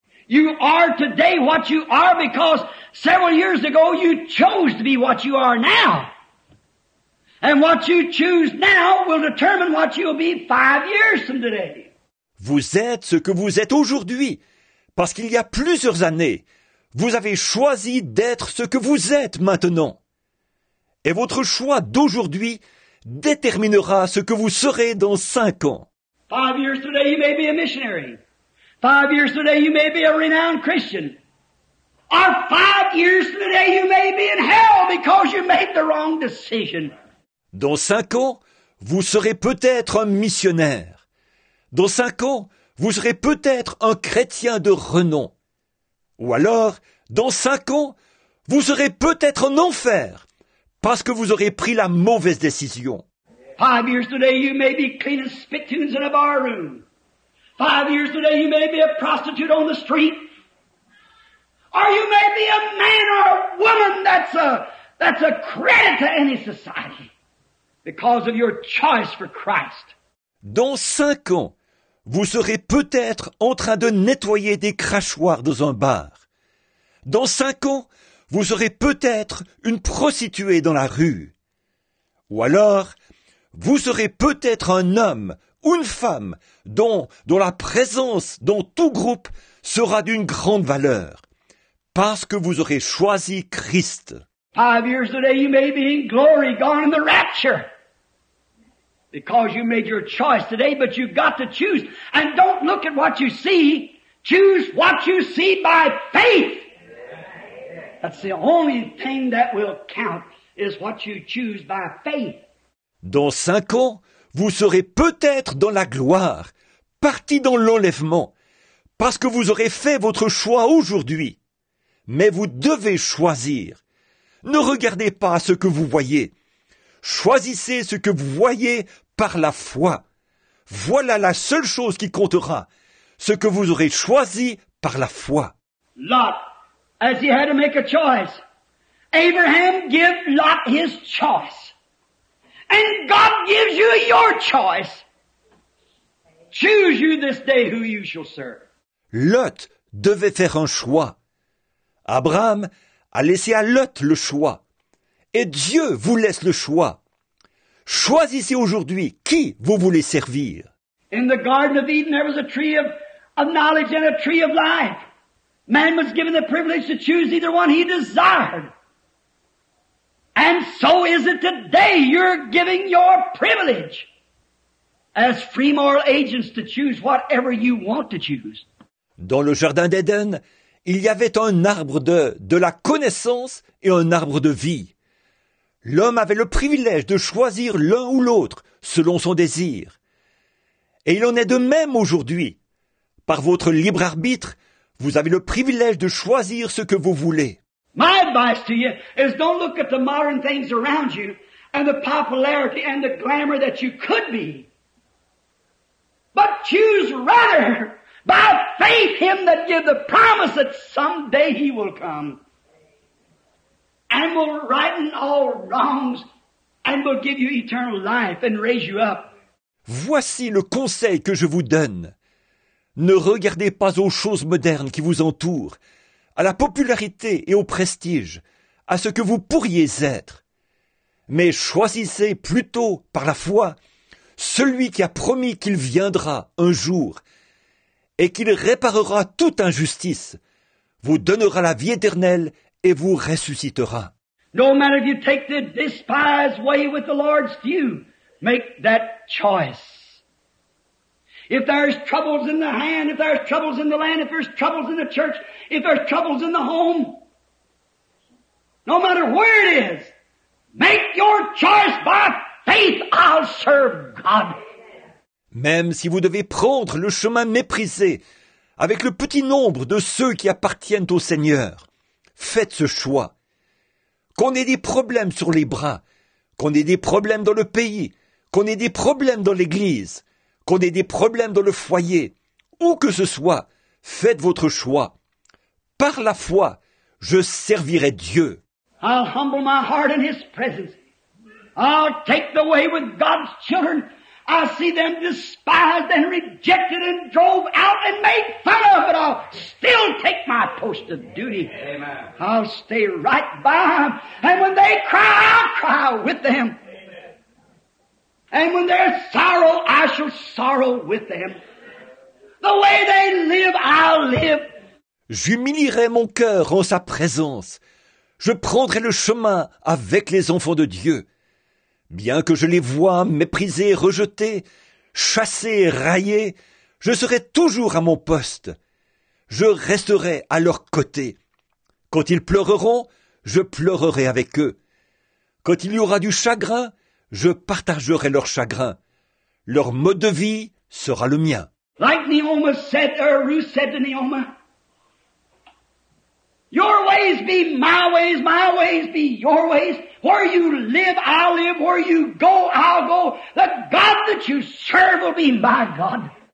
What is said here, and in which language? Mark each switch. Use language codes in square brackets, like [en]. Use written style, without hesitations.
[en] You are today what you are because several years ago you chose to be what you are now. And what you choose now will determine what you'll be 5 years from today. [fr] Vous êtes ce que vous êtes aujourd'hui parce qu'il y a plusieurs années, vous avez choisi d'être ce que vous êtes maintenant. Et votre choix d'aujourd'hui déterminera ce que vous serez dans 5 ans. [en] 5 years today, you may be a missionary. 5 years today, you may be a renowned Christian. Or 5 years today, you may be in hell because you made the wrong decision. [fr] Dans 5 ans, vous serez peut-être un missionnaire. Dans 5 ans, vous serez peut-être un chrétien de renom. Ou alors, dans 5 ans, vous serez peut-être en enfer parce que vous aurez pris la mauvaise décision. [en] 5 years today, you may be cleaning spittoons in a bar room. 5 years today, you may be a prostitute on the street. Or you may be a man or a woman that's a credit to any society because of your choice for Christ. [fr] Dans 5 ans, vous serez peut-être en train de nettoyer des crachoirs dans un bar. Dans 5 ans, vous serez peut-être une prostituée dans la rue. Ou alors, vous serez peut-être un homme ou une femme dont la présence dans tout groupe sera d'une grande valeur, parce que vous aurez choisi Christ. [en] 5 years today, you may be in glory, gone in the rapture. Because you made your choice today, but you've got to choose. And don't look at what you see. Choose what you see by faith. That's the only thing that will count, is what you choose by faith. [fr] Dans 5 ans, vous serez peut-être dans la gloire, parti dans l'enlèvement, parce que vous aurez fait votre choix aujourd'hui. Mais vous devez choisir. Ne regardez pas ce que vous voyez. Choisissez ce que vous voyez par la foi. Voilà la seule chose qui comptera, ce que vous aurez choisi par la foi. [en] Lot, as he had to make a choice. Abraham gave Lot his choice. And God gives you your choice. Choose you this day who you shall serve. [fr] Lot devait faire un choix. Abraham a laissé à Lot le choix. Et Dieu vous laisse le choix. Choisissez aujourd'hui qui vous voulez servir. [en] In the Garden of Eden, there was a tree of knowledge and a tree of life. Man was given the privilege to choose either one he desired. And so is it today. You're giving your privilege as free moral agents to choose whatever you want to choose. [fr] Dans le jardin d'Éden, il y avait un arbre de la connaissance et un arbre de vie. L'homme avait le privilège de choisir l'un ou l'autre selon son désir. Et il en est de même aujourd'hui. Par votre libre arbitre, vous avez le privilège de choisir ce que vous voulez. [en] My advice to you is don't look at the modern things around you and the popularity and the glamour that you could be. But choose rather by faith him that gives the promise that someday he will come. And will righten all wrongs and will give you eternal life and raise you up. [fr] Voici le conseil que je vous donne. Ne regardez pas aux choses modernes qui vous entourent, à la popularité et au prestige, à ce que vous pourriez être. Mais choisissez plutôt, par la foi, celui qui a promis qu'il viendra un jour et qu'il réparera toute injustice, vous donnera la vie éternelle et vous ressuscitera. [en] No matter if you take the despised way with the Lord's view, make that choice. If there's troubles in the hand, if there's troubles in the land, if there's troubles in the church, if there's troubles in the home, no matter where it is, make your choice by faith, I'll serve God. [fr] Même si vous devez prendre le chemin méprisé avec le petit nombre de ceux qui appartiennent au Seigneur, faites ce choix. Qu'on ait des problèmes sur les bras, qu'on ait des problèmes dans le pays, qu'on ait des problèmes dans l'église, qu'on ait des problèmes dans le foyer, où que ce soit, faites votre choix. Par la foi, je servirai Dieu. [en] I'll humble my heart in his presence. I'll take the way with God's children. I see them despised and rejected and drove out and made fun of, but I'll still take my post of duty. Amen. I'll stay right by them. And when they cry, I'll cry with them. And when there's sorrow, I shall sorrow with them. The way they live, I'll live. [fr] J'humilierai mon cœur en sa présence. Je prendrai le chemin avec les enfants de Dieu. Bien que je les voie méprisés, rejetés, chassés, raillés, je serai toujours à mon poste. Je resterai à leur côté. Quand ils pleureront, je pleurerai avec eux. Quand il y aura du chagrin, je partagerai leur chagrin. Leur mode de vie sera le mien. [en] Like Naomi said, Ruth said to Naomi, your ways be my ways be your ways. Where you live, I'll live. Where you go, I'll go. The God that you serve will be my God.